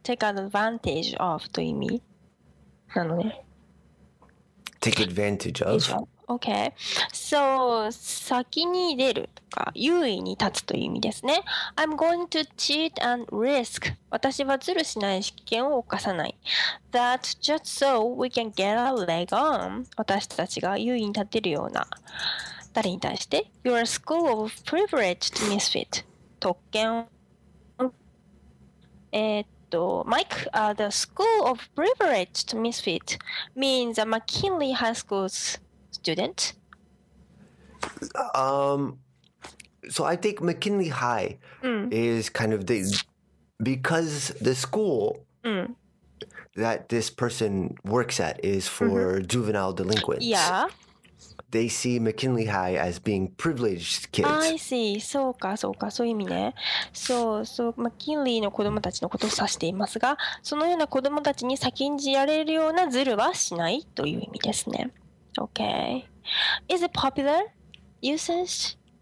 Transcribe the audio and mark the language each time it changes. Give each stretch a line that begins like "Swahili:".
English: Take advantage of
Japanese: という意味なのね。
English: Take advantage of. Okay. So,
Japanese: 先に出る。優位に立つという意味ですね。
English: I'm going to cheat and risk.
Japanese: 私はズルしない、危険を犯さない。
English: That just so we can get a leg on.
Japanese: 私たちが優位に立てるような、誰に対して。
English: Your school of privileged misfit. 特権。 Mike, the school of privileged misfit means a McKinley High School's student. So I think McKinley High is kind of the, because the school that this person works at is for juvenile delinquents. Yeah. They see McKinley High as being privileged kids. I see.
Japanese: そうか、そうか、そういう意味ね。そう、そう、McKinley の子供たちのことを指していますが、そのような子供たちに先んじられるようなズルはしないという意味ですね。
English: Okay. Is it popular usage?